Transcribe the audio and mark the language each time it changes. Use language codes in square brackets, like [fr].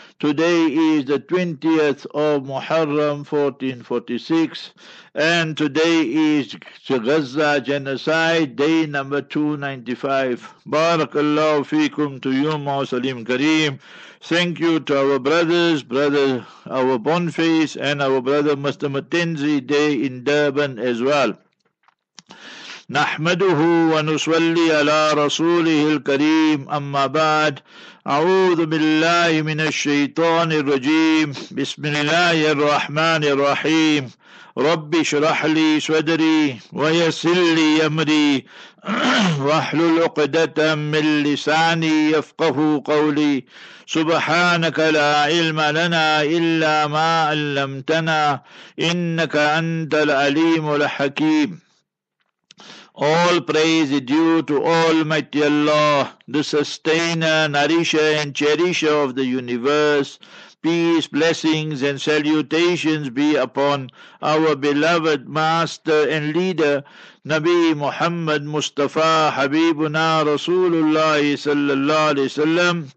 [en] Today is the 20th of Muharram 1446, and today is the Gaza genocide, day number 295. Barakallahu feekum to you, Ma Salim Kareem. Thank you to our brothers, brother, our Bonface, and our brother Mr. Mackenzie Day in Durban as well. [ar] نحمده ونصلي على رسوله الكريم أما بعد أعوذ بالله من الشيطان الرجيم بسم الله الرحمن الرحيم رب اشرح لي صدري ويسر لي أمري واحلل عقدة من لساني يفقه قولي سبحانك لا علم لنا إلا ما علمتنا إنك أنت العليم الحكيم. [en] All praise is due to Almighty Allah, the sustainer, nourisher and cherisher of the universe. Peace, blessings and salutations be upon our beloved master and leader, Nabi Muhammad Mustafa Habibuna Rasulullah sallallahu alaihi wasallam.